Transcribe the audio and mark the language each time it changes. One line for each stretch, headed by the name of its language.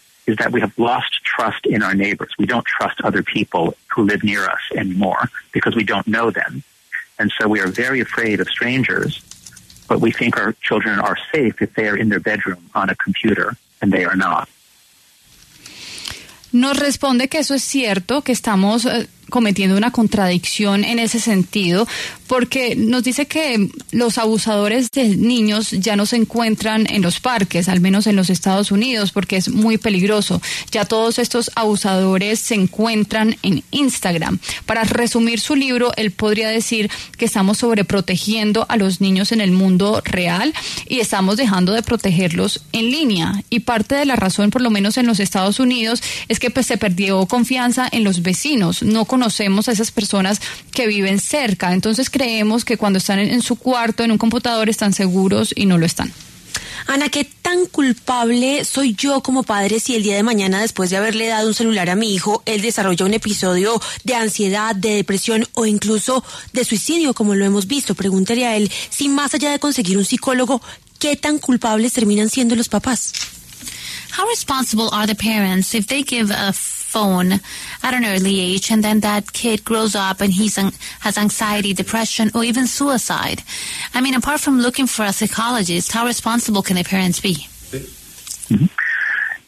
English: is that we have lost trust in our neighbors. We don't trust other people who live near us anymore because we don't know them. And so we are very afraid of strangers, but we think our children are safe if they are in their bedroom on a computer, and they are not.
Spanish: Nos responde que eso es cierto, que estamos cometiendo una contradicción en ese sentido, porque nos dice que los abusadores de niños ya no se encuentran en los parques, al menos en los Estados Unidos, porque es muy peligroso. Ya todos estos abusadores se encuentran en Instagram. Para resumir su libro, él podría decir que estamos sobreprotegiendo a los niños en el mundo real y estamos dejando de protegerlos en línea. Y parte de la razón, por lo menos en los Estados Unidos, es que pues, se perdió confianza en los vecinos. No conocemos a esas personas que viven cerca. Entonces creemos que cuando están en su cuarto, en un computador, están seguros y no lo están. Ana, ¿qué tan culpable soy yo como padre si el día de mañana, después de haberle dado un celular a mi hijo, él desarrolla un episodio de ansiedad, de depresión o incluso de suicidio, como lo hemos visto? Preguntaré a él si más allá de conseguir un psicólogo, ¿qué tan culpables terminan siendo los papás?
English: How responsible are the parents if they give a phone at an early age and then that kid grows up and has anxiety, depression, or even suicide? I mean, apart from looking for a psychologist, how responsible can the parents be? Mm-hmm.